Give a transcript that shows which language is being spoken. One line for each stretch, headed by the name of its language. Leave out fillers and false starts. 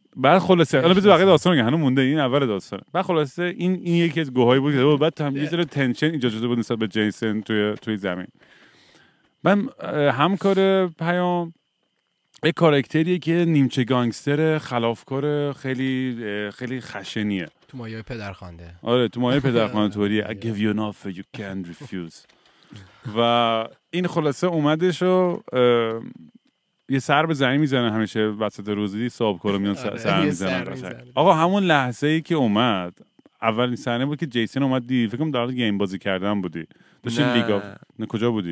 Persian: بعد خلاصه حالا بذار بقیه داستان رو هنوز مونده، این اول داستانه. بعد خلاصه این یکی از گوهایی بود که بعد تام یه ذره تنشن ایجاد شده بود نسبت به جیسن توی زمین. من همکار پیام یه کاراکتریه که نیمچه گانگستر خلافکار خیلی خیلی خشنیه تو مایه پدرخوانده. آره تو مایه پدرخوانده طوریه.
English: I give you enough you can't refuse.
Persian: و این خلاصه اومدش و یه سر به زنی میزنه همیشه وسط روزی صاحب کارو میان سر میزنه. آقا همون لحظه ای که اومد اولین صحنه بود که جیسن اومد دید، فکر کنم در حال گیم بازی کردن بودی داشتی لیگ آف نه کجا بودی؟